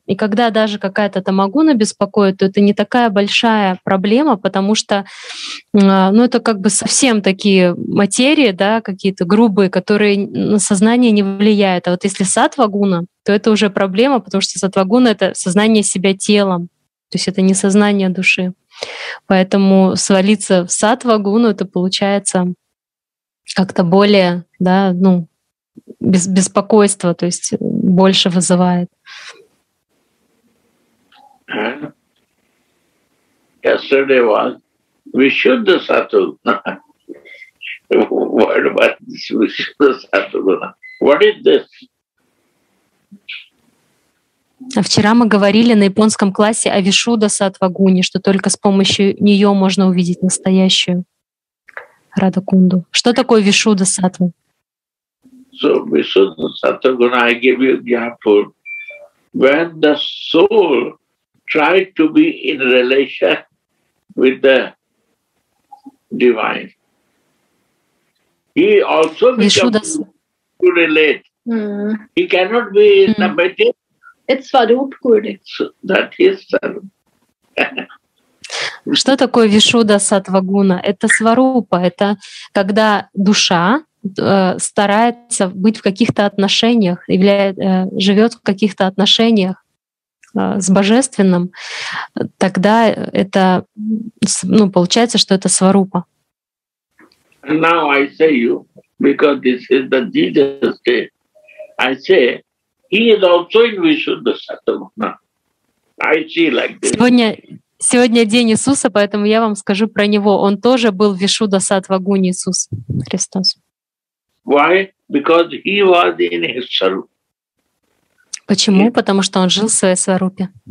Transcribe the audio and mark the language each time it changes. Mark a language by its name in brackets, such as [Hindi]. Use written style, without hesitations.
[Russian] И когда даже какая-то тамагуна беспокоит, то это не такая большая проблема, потому что это как бы совсем такие материи, да, какие-то грубые, которые на сознание не влияют. А вот если Саттва-гуна, то это уже проблема, потому что Саттва-гуна — это сознание себя телом, то есть это не сознание души. Поэтому свалиться в Саттва-гуну — это получается как-то более, да, беспокойство, то есть больше вызывает. [English] Yesterday was Vishuddha Sattva. What about Vishuddha Sattva? What is this? [Russian] А вчера мы говорили на японском классе о Вишуда Сатвагуне, что только с помощью нее можно увидеть настоящую Радакунду. Что такое Вишуда Сатва? [English] So Вишуда Сатвагуна, I give you example. When the soul tried to be in relation with the divine, he also becomes to relate. Mm. He cannot be in the material. [Russian] Это Сварупа Гуру. [English] That is [Russian] Сварупа. Что такое Вишуда Сатвагуна? Это Сварупа. Это когда душа старается быть в каких-то отношениях, живет в каких-то отношениях с Божественным, тогда это, ну, получается, что это Сварупа. [English] Now I say you, because this is the Jesus day, I say, he is also in Vishuddha Satvaguna. I see like this. [Russian] Сегодня день Иисуса, поэтому я вам скажу про него. Он тоже был в Вишуда Сатвагуне, Иисус Христос. [English] Why? Because he was in his Сварупа. [Russian] Почему? [English] Yeah. [Russian] Потому что он жил в своей Сварупе.